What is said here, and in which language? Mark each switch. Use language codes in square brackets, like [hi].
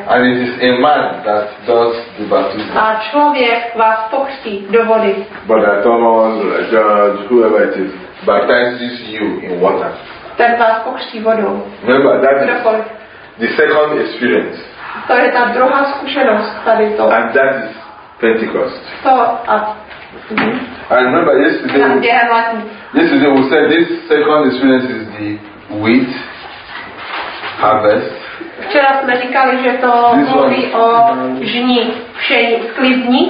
[en] And it is a man that does the baptism. [cs] A člověk vás pokřtí do vody. [en] But I Thomas, George, whoever it is, baptizes you in water. [cs] Ten vás pokřtí vodou. [en] Remember, that is the second experience. [cs] To je ta druhá zkušenost tady to. [en] And that is Pentecost. [cs] To a [en] I remember yesterday we said this second experience is the wheat harvest. [cs] Včera jsme říkali, že to mluví o žní, všejní, sklizní.